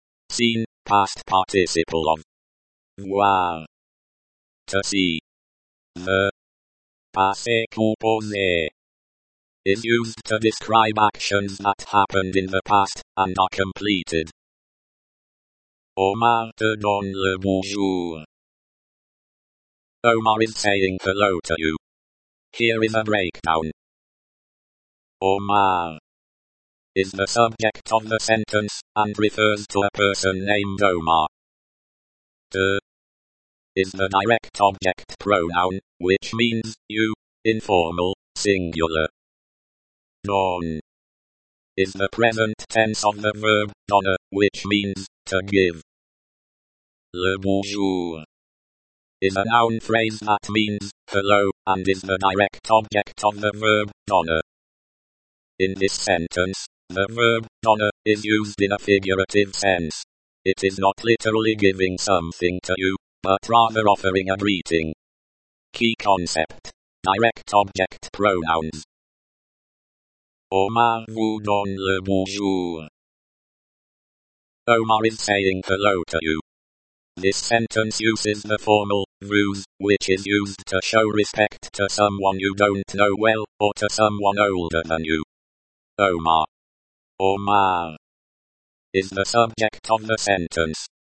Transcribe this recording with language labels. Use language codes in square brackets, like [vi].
[en] seen, past participle of [fr] voir, [en] to see. The [fr] passé composé [en] is used to describe actions that happened in the past and are completed. [fr] Omar te donne le bonjour. [en] Omar is saying hello to you. Here is a breakdown. Omar is the subject of the sentence, and refers to a person named Omar. De is the direct object pronoun, which means you, informal, singular. Don is the present tense of the verb donner, which means to give. Le bonjour is a noun phrase that means hello, and is the direct object of the verb donner. In this sentence, the verb donner is used in a figurative sense. It is not literally giving something to you, but rather offering a greeting. Key concept: direct object pronouns. [fr] Omar vous donne le bonjour. [en] Omar is saying hello to you. This sentence uses the formal vous, which is used to show respect to someone you don't know well, or to someone older than you. Omar is the subject of the sentence.